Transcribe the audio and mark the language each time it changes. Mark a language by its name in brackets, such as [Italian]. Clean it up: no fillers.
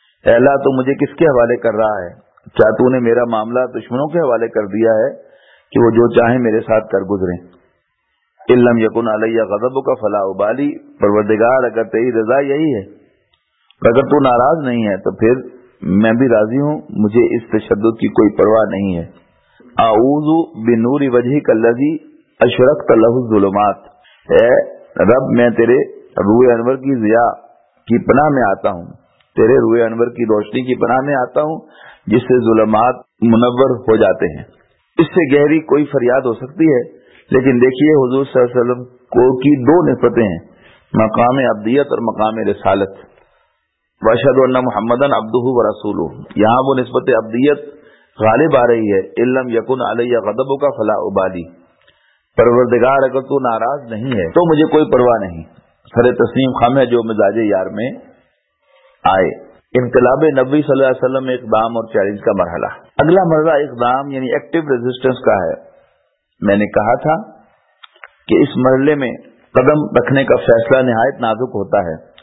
[Urdu] اے اللہ تو مجھے کس کے حوالے کر رہا ہے، کیا تو نے میرا معاملہ دشمنوں کے حوالے کر دیا ہے کہ وہ جو چاہیں میرے ساتھ کر گزریں. [Arabic] اِلَّمْ يَكُنَ عَلَيَّ غَضَبُكَ فَلَا أُبَالِي. [Urdu] پروردگار اگر تیری رضا یہی ہے، اگر تو ناراض نہیں ہے تو پھر میں بھی راضی ہوں، مجھے اس تشدد کی کوئی پرواہ نہیں ہے. [Arabic] اعوذ بنور وجهک الذی اشرقت له الظلمات. [Urdu] اے رب میں تیرے روح انور کی ضیاء کی پناہ میں آتا ہوں، تیرے روح انور کی روشنی کی پناہ میں آتا ہوں جس سے ظلمات منور ہو جاتے ہیں. اس سے گہری کوئی فریاد ہو سکتی ہے، لیکن دیکھیے حضور صلی اللہ علیہ وسلم کو کی 2 نسبتیں ہیں، مقام ابدیت اور مقام رسالت. [Arabic] واشهد ان محمدا عبده ورسوله. [Urdu] یہاں وہ نسبت ابدیت غالب آ رہی ہے. [Arabic] ان لم یکن علی غضبک فلا ابالی. [Urdu] پروردگار اگر تو ناراض نہیں ہے تو مجھے کوئی پرواہ نہیں. سر تسلیم خم ہے جو مزاج یار میں آئے. انقلاب نبوی صلی اللہ علیہ وسلم میں اقدام اور چیلنج کا مرحلہ. اگلا مرحلہ اقدام یعنی ایکٹیو ریزسٹنس کا ہے. میں نے کہا تھا کہ اس مرحلے میں قدم رکھنے کا فیصلہ نہایت نازک ہوتا ہے.